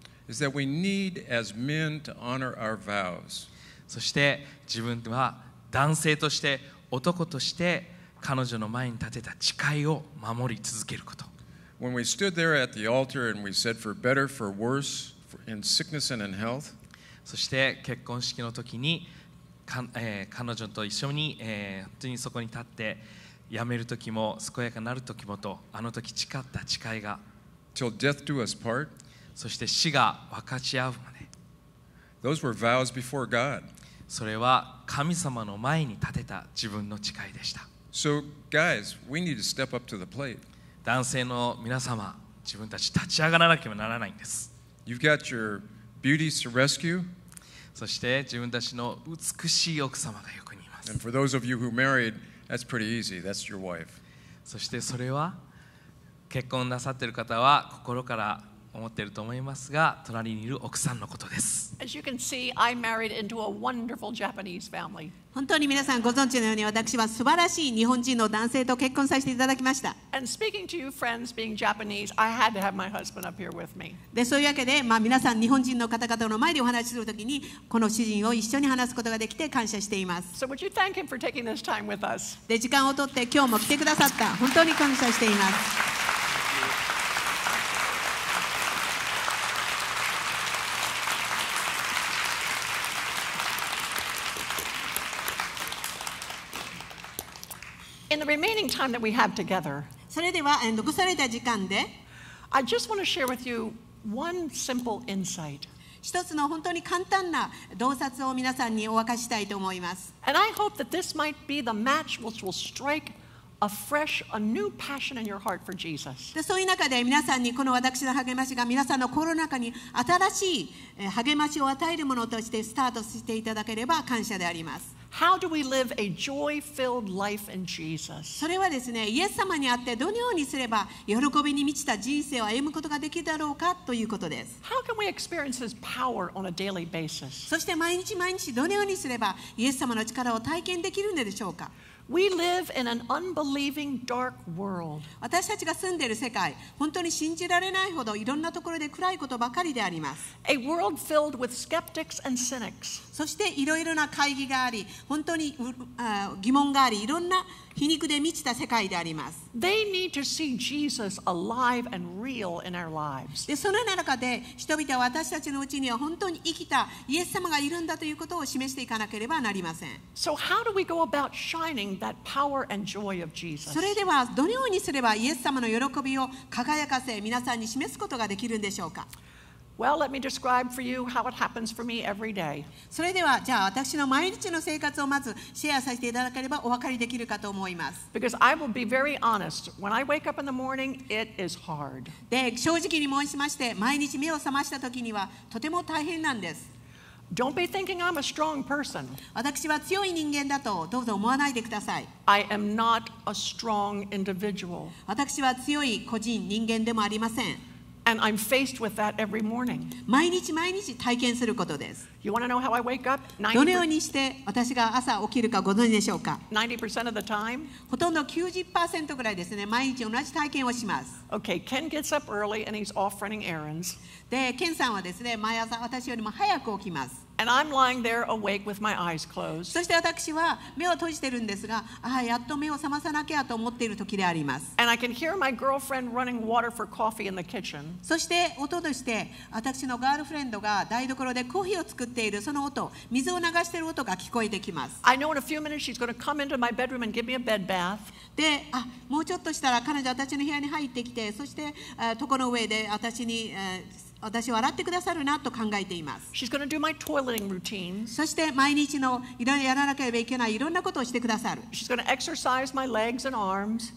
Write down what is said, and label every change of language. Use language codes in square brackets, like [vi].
[en] is that we need as men to honor our vows. [ja] そして自分は男性として、男として彼女の前に立てた誓いを守り続けること。 [en] When we stood there at the altar and we said, for better, for worse, in sickness and in health, [ja] そして結婚式の時に、彼女と一緒に、本当にそこに立って、辞める時も健やかなる時もと、あの時誓った誓いが、 [en] Till death do us part, [ja] そして死が分かち合うまで、 [en] Those were vows before God. [ja] それは神様の前に立てた自分の誓いでした。 [en] So, guys, we need to step up to the plate. [ja] 男性の皆様、自分たち立ち上がらなければならないんです。 [en] You've got your beauties to rescue. [ja] そして自分たちの美しい奥様が横にいます。 [en] And for those of you who married,That's pretty easy. That's your wife. [ja] そしてそれは結婚なさっている方は心から思っていると思いますが、隣にいる奥さんのことです。 [en] As you can see, I married into a wonderful Japanese family. [ja] 本当に皆さんご存知のように、私は素晴らしい日本人の男性と結婚させていただきました。 [en] And speaking to you friends, being Japanese, I had to have my husband up here with me. [ja] で、そういうわけで、皆さん日本人の方々の前でお話しするときに、この主人を一緒に話すことができて感謝しています。 [en] So would you thank him for taking this time with us? [ja] で、時間を取って今日も来てくださった。本当に感謝しています。 [en] In the remaining time that we have together, [ja] それでは残された時間で、 [en] I just want to share with you one simple insight. [ja] 一つの本当に簡単な洞察を皆さんにお分かしたいと思います。 [en] And I hope that this might be the match which will strike a fresh, a new passion in your heart for Jesus. [ja] で、そういう中で皆さんにこの私の励ましが皆さんの心の中に新しい励ましを与えるものとしてスタートしていただければ感謝であります。 [en] How do we live a joy-filled life in Jesus? [ja] それはですね、イエス様にあってどのようにすれば喜びに満ちた人生を歩むことができるだろうかということです。 [en] How can we experience His power on a daily basis? [ja] そして毎日毎日どのようにすればイエス様の力を体験できるのでしょうか。 [en] We live in an unbelieving dark world. [ja] 私たちが住んでいる世界、本当に信じられないほどいろんなところで暗いことばかりであります。 [en] A world filled with skeptics and cynics. [ja] そしていろいろな懐疑があり、本当に疑問があり、いろんな皮肉で満ちた世界であります。 [en] They need to see Jesus alive and real in our lives. [ja] で、その中で人々は私たちのうちには本当に生きたイエス様がいるんだということを示していかなければなりません。 [en] So how do we go about shining that power and joy of Jesus? [ja] それではどのようにすればイエス様の喜びを輝かせ皆さんに示すことができるんでしょうか。 [en] Well, let me describe for you how it happens for me every day. [ja] それではじゃあ私の毎日の生活をまずシェアさせていただければお分かりできるかと思います。 [en] Because I will be very honest. When I wake up in the morning, it is hard. [ja] で、正直に申しまして、毎日目を覚ました時にはとても大変なんです。 [en] Don't be thinking I'm a strong person. [ja] 私は強い人間だとどうぞ思わないでください。 [en] I am not a strong individual. [ja] 私は強い個人、人間でもありません。 [en] And I'm faced with that every morning. [ja] 毎日毎日体験することです。 [en] You want to know how I wake up? [ja] どのようにして私が朝起きるかご存知でしょうか? [en] 90% of the time. [ja] ほとんど 90% ぐらいですね。毎日同じ体験をします。 [en] Okay, Ken gets up early and he's off running errands. [ja] で、Ken さんはですね、毎朝私よりも早く起きます。 [en] And I'm lying there awake with my eyes closed. [ja] そして私は目を閉じてるんですが、ああ、やっと目を覚まさなきゃと思っている時であります。 [en] And I can hear my girlfriend running water for coffee in the kitchen. [ja] そして音として私のガールフレンドが台所でコーヒーを作っているその音、水を流している音が聞こえてきます。 [en] I know in a few minutes she's going to come into my bedroom and give me a bed bath. [ja] で、あ、もうちょっとしたら彼女は私の部屋に入ってきて、そして床の上で私に、私を洗ってくださるなと考えています。 [en] She's gonna do my toileting routine. [ja] そして毎日のいろいろやらなければいけないいろんなことをしてくださる。 [en] She's gonna exercise my legs and arms.